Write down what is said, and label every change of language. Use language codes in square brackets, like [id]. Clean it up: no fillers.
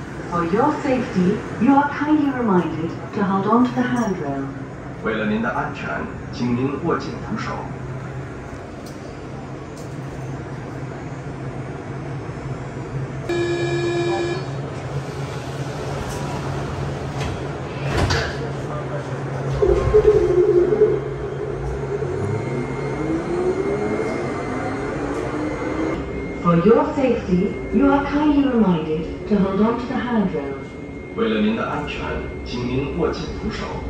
[en] For your safety, you are kindly reminded to hold on to the handrail. [zh] 为了您的安全，请您握紧扶手。 [en] For your safety, you are kindly reminded to hold on to the handrail. [zh] 为了您的安全，请您握紧扶手。